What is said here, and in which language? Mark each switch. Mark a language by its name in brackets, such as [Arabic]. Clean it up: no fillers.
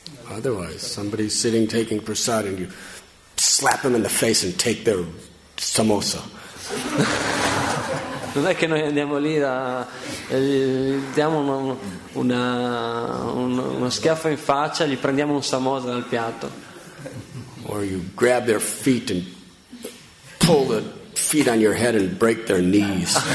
[English] Otherwise, somebody's sitting taking prasad and you slap them in the face and take their samosa. [Italian] Non è che noi andiamo lì da diamo uno schiaffo in faccia, gli prendiamo un samosa dal piatto. [English] Or you grab their feet and pull the feet on your head and break their knees.